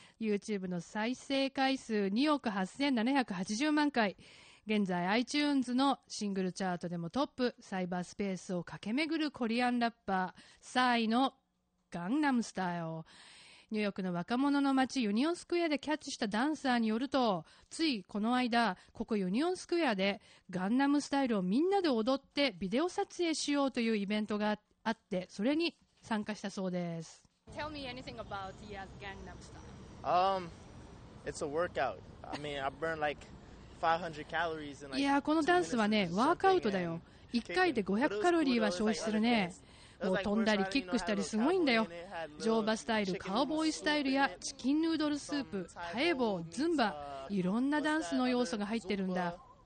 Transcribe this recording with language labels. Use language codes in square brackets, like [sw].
[ja] YouTube の再生回数2億8780万回、現在 iTunes のシングルチャートでもトップ、サイバースペースを駆け巡るコリアンラッパーサイのガンナムスタイル。ニューヨークの若者の街ユニオンスクエアでキャッチしたダンサーによると、ついこの間ここユニオンスクエアでガンナムスタイルをみんなで踊ってビデオ撮影しようというイベントがあって、それに参加したそうです。 [en] Tell me anything about the Gangnam Style. It's a workout. I mean, I burn like 500 calories in like 2 minutes. [ja] いや、このダンスはね、ワークアウトだよ。1回で500カロリーは消費するね。もう飛んだりキックしたりすごいんだよ。乗馬スタイル、カウボーイスタイルやチキンヌードルスープ、タエボー、ズンバ、いろんなダンスの要素が入ってるんだ。